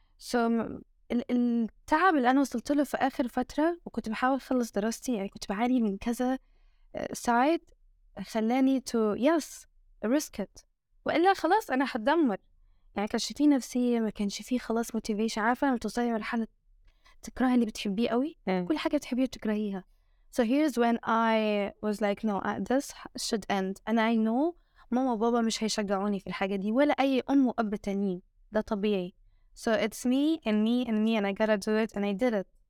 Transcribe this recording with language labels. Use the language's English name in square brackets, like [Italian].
[Arabic] So التعب اللي أنا وصلت له في آخر فترة، وكنت بحاول أخلص دراستي يعني، كنت بعاني من كذا سايد، خلاني [English] to yes risk it. [Arabic] وإلا خلاص أنا هتدمر يعني، كانش في نفسية، ما كانش في خلاص motivation. عارفة لما توصلي مرحلة تكرهي اللي بتحبيه قوي، كل حاجة بتحبيها بتكرهيها. [English] So here's when I was like no, this should end. And I know [Arabic] ماما وبابا مش هيشجعوني في الحاجة دي، ولا أي أم وأب تانيين، ده طبيعي. [English] So it's me and me and me and I gotta do it and I did it.